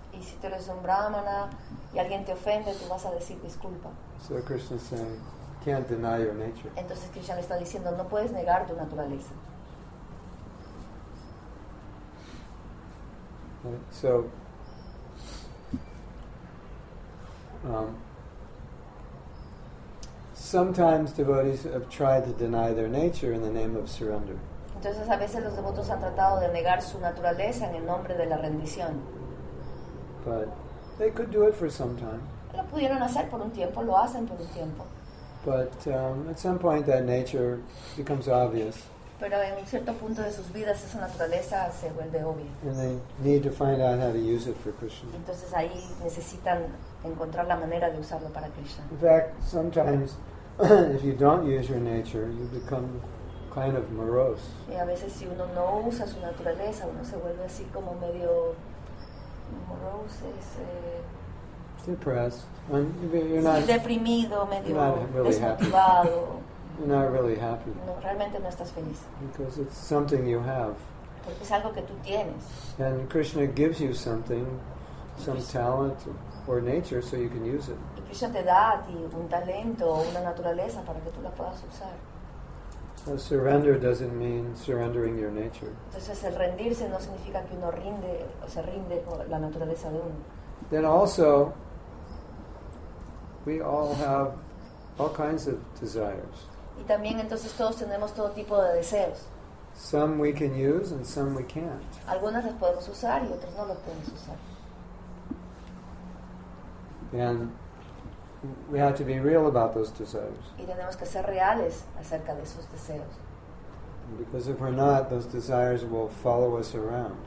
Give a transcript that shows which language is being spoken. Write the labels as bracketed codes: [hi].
[es] Y si tú eres un brahmana y alguien te ofende, tú vas a decir disculpa. [en] So Krishna is saying, can't deny your nature. [es] Entonces Krishna le está diciendo, no puedes negar tu naturaleza. [en] So, sometimes devotees have tried to deny their nature in the name of surrender. [es] Entonces a veces los devotos han tratado de negar su naturaleza en el nombre de la rendición. [en] But they could do it for some time. [es] Lo pudieron hacer por un tiempo, lo hacen por un tiempo. [en] But at some point that nature becomes obvious. [es] Pero en un cierto punto de sus vidas esa naturaleza se vuelve obvia. [en] And they need to find out how to use it for Krishna. [es] Entonces ahí necesitan encontrar la manera de usarlo para Krishna. [en] In fact, sometimes if you don't use your nature, you become kind of morose. [es] Y a veces si uno no usa su naturaleza, uno se vuelve así como medio morose, [en] depressed. You're not, [es] deprimido, medio [en] you're not really happy. You're not really happy. [es] No, realmente no estás feliz. [en] Because it's something you have. [es] Porque es algo que tú tienes. [en] And Krishna gives you something, some talent or nature, so you can use it. [es] Y Krishna te da a ti un talento o una naturaleza para que tú la puedas usar. [en] So surrender doesn't mean surrendering your nature. [es] Entonces el rendirse no significa que uno rinde o se rinde por la naturaleza de uno. [en] Then also, we all have all kinds of desires. [es] Y también entonces todos tenemos todo tipo de deseos. [en] Some we can use and some we can't. [es] Algunas las podemos usar y otras no las podemos usar. [en] And we have to be real about those desires. [es] Y tenemos que ser reales acerca de esos deseos. [en] Because if we're not, those desires will follow us around.